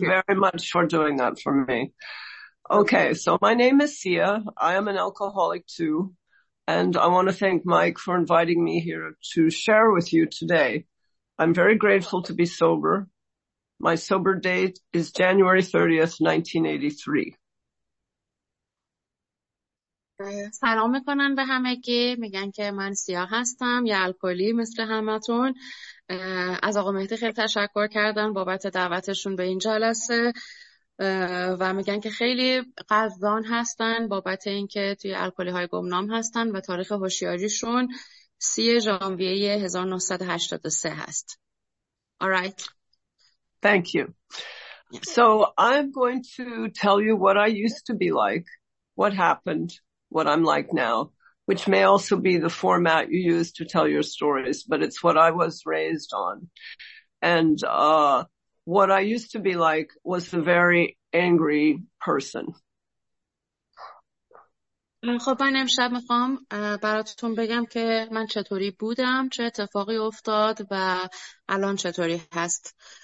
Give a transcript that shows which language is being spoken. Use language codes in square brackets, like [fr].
[en] very much for doing that for me. Okay, so my name is Sia. I am an alcoholic too. And I want to thank Mike for inviting me here to share with you today. I'm very grateful to be sober. My sober date is January 30th, 1983. [fa] سلام میکنن به همگی، میگن که من سیاه هستم، یه الکلی مثل همتون. از آقا مهدی خیلی تشکر کردن بابت دعوتشون به این جلسه و میگن که خیلی قدردان هستن بابت اینکه توی الکلی های گمنام هستن و تاریخ هوشیاریشون 30 ژانویه 1983 هست. [en] Alright. Thank you. So I'm going to tell you what I used to be like, what happened, what I'm like now, which may also be the format you use to tell your stories, but it's what I was raised on. And what I used to be like was a very angry person. [fa] خب من امشب میخوام براتون بگم که من چطوری بودم، چه اتفاقی افتاد و الان چطوری هست.